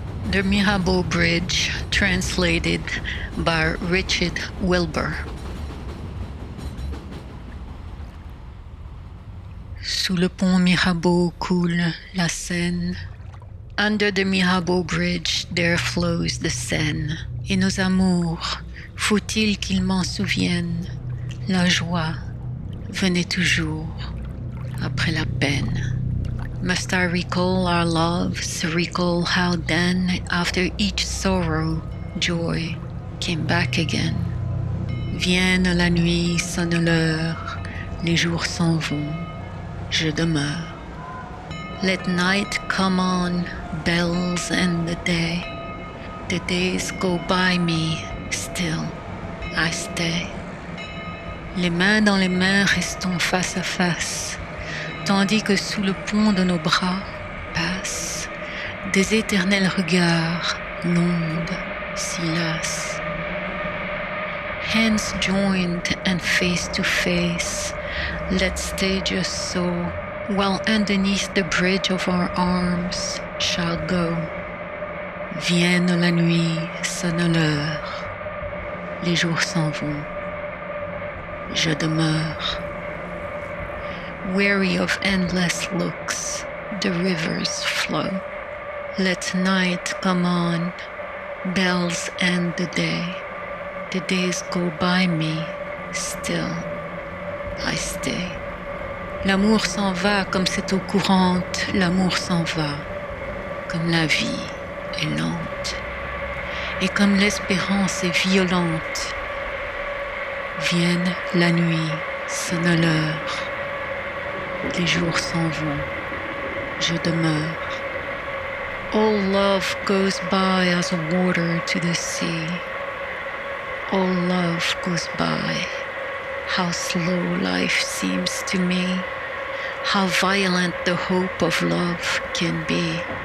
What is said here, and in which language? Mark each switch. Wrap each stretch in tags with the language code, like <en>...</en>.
<en>The Mirabeau Bridge, translated by Richard Wilbur.</en> <fr>Sous le pont Mirabeau coule la Seine.</fr> <en>Under the Mirabeau Bridge, there flows the Seine.</en> <fr>Et nos amours, faut-il qu'ils m'en souviennent? La joie venait toujours après la peine.</fr> <en>Must I recall our loves, recall how then, after each sorrow, joy came back again?</en> <fr>Vienne la nuit, sonne l'heure, les jours s'en vont, je demeure.</fr> <en>Let night come on, bells and the days go by me, still I stay.</en> <fr>Les mains dans les mains, restons face à face, tandis que sous le pont de nos bras passent des éternels regards, l'onde si lasse.</fr> <en>Hands joined and face to face, let's stay just so, while underneath the bridge of our arms shall go.</en> <fr>Vienne la nuit, sonne l'heure, les jours s'en vont, je demeure.</fr> <en>Weary of endless looks, the rivers flow. Let night come on, bells end the days go by me, still I stay.</en> <fr>L'amour s'en va comme cette eau courante, l'amour s'en va comme la vie est lente, et comme l'espérance est violente. Vienne la nuit, sonne l'heure, les jours s'en vont, je demeure.</fr> <en>All love goes by as water to the sea. All love goes by. How slow life seems to me. How violent the hope of love can be.</en>